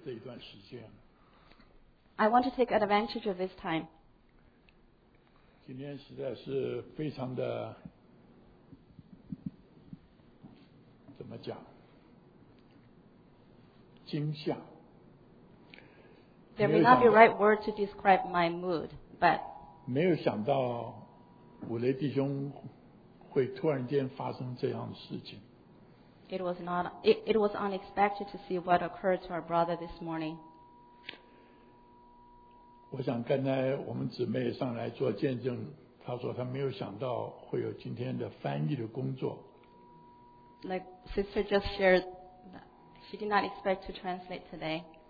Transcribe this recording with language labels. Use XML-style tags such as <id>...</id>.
<zh>弟兄姊妹们好，好，我很不想浪费这一段时间。</zh> <en>I want to take advantage of this time.</en> <zh>今天实在是非常的，怎么讲？惊吓。</zh> <en>There may not be the right word to describe my mood, but</en> <zh>没有想到武雷弟兄会突然间发生这样的事情。</zh> <en>It was unexpected to see what occurred to our brother this morning.</en> <zh>我想刚才我们姊妹上来做见证，她说她没有想到会有今天的翻译的工作。</zh> <en>Like sister just shared, she did not expect to translate today.</en>